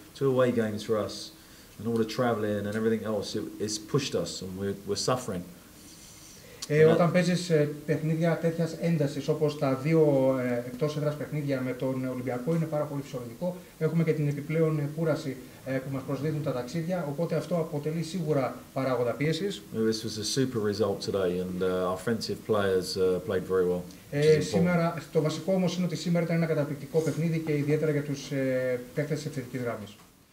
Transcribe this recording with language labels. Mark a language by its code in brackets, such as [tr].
[en] Two away games for us. And all the traveling and everything else, it's pushed us and we're suffering. [el] Όταν παίζεις παιχνίδια τέτοιας έντασης, όπως τα δύο εκτός έδρας παιχνίδια με τον Ολυμπιακό, είναι πάρα πολύ φυσιολογικό. Έχουμε και την επιπλέον κούραση που μας προσδίδουν τα ταξίδια, οπότε αυτό αποτελεί σίγουρα παράγοντα πίεσης. [en] This was a super result today and our offensive players played very well. [el] Σήμερα, το βασικό όμως είναι ότι σήμερα ήταν ένα καταπληκτικό παιχνίδι και ιδιαίτερα για τους παίκτες της επιθετικής γραμμής.